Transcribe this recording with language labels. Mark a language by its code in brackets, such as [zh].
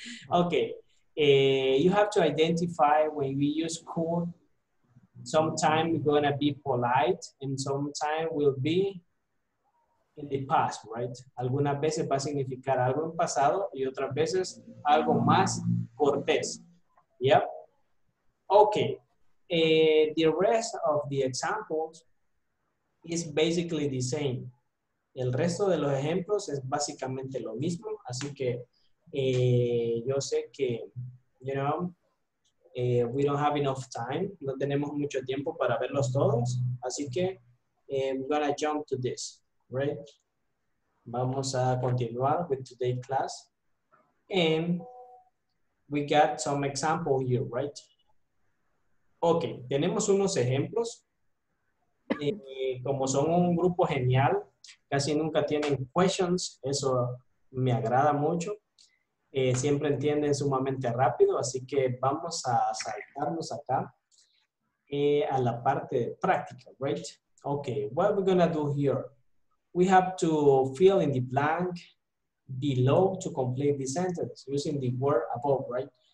[en] Ok, you have to identify when we use could. Sometime we're gonna be polite and sometime will be in the past, right? [es] Algunas veces va a significar algo en pasado y otras veces algo más cortés. [en] Yep. Okay. The rest of the examples is basically the same. [es] El resto de los ejemplos es básicamente lo mismo. Así que yo sé que, [en] you know, we don't have enough time. [es] No tenemos mucho tiempo para verlos todos. Así que [en] I'm gonna jump to this, right? [es] Vamos a continuar [en] with today's class. And we got some examples here, right? [es] Okay, tenemos unos ejemplos. Como son un grupo genial, casi nunca tienen questions. Eso me agrada mucho. Siempre entienden sumamente rápido, así que vamos a saltarnos acá a la parte de práctica, right? [en] Okay, what are we gonna do here? We have to fill in the blank below to complete the sentence using the word above, right?